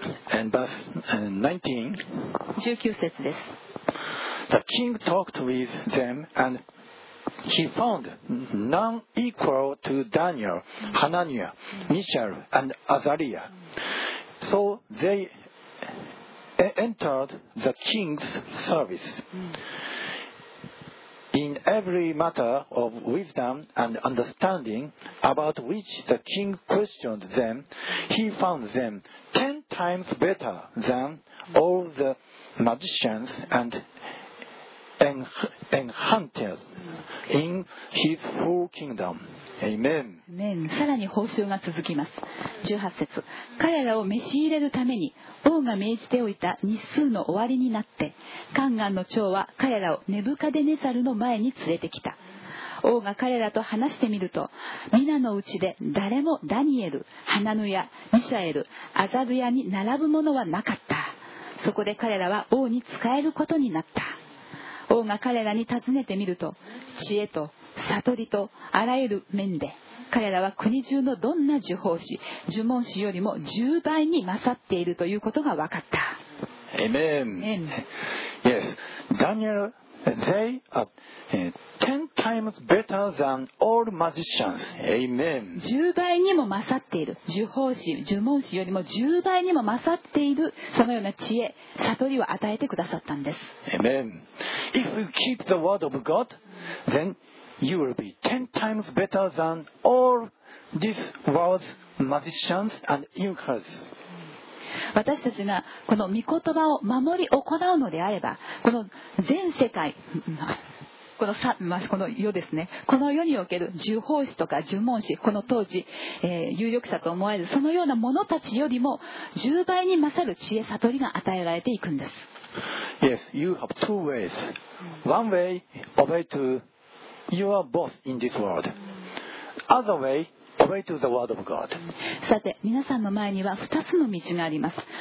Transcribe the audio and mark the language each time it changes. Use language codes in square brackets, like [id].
[en] And verse 19. [ja] 19節です。 [en] The king talked with them and he found none equal to Daniel, Hananiah, Mishael, and Azariah. So they entered the king's service. In every matter of wisdom and understanding about which the king questioned them, he found them 10 times better than all the magicians and enchanters in his full kingdom. Amen. Amen. [ja] さらに報酬が続きます。18節。彼らを召し入れるために王が命じておいた日数の終わりになって、宦官の長は彼らをネブカデネザルの前に連れてきた。王が彼らと話してみると、皆のうちで誰もダニエル、ハナヌヤ、ミシャエル、アザルヤに並ぶものはなかった。そこで彼らは王に仕えることになった。王が彼らに尋ねてみると、知恵と悟りとあらゆる面で、彼らは国中のどんな呪法師、呪文師よりも10倍に勝っているということが分かった。 [en] Amen. Amen. Yes. Daniel, they are 10 times better than all magicians. Amen. [ja] 10倍にも勝っている。呪法師、呪文師よりも10倍にも勝っている、そのような知恵、悟りを与えてくださったんです。 [en] Amen. If you keep the word of God, then you will be 10 times better than all this world's magicians and incas. [ja] 私たちがこの御言葉を守り行うのであれば、この全世界、この世ですね、この世における呪法師とか呪文師、この当時、有力者と思われるそのような者たちよりも10倍に勝る知恵悟りが与えられていくんです。 [en] Yes, you have two ways. One way, obey to your boss in this world. Other way, obey to the word of God. [ja] さて、皆さんの前には2つの道があります。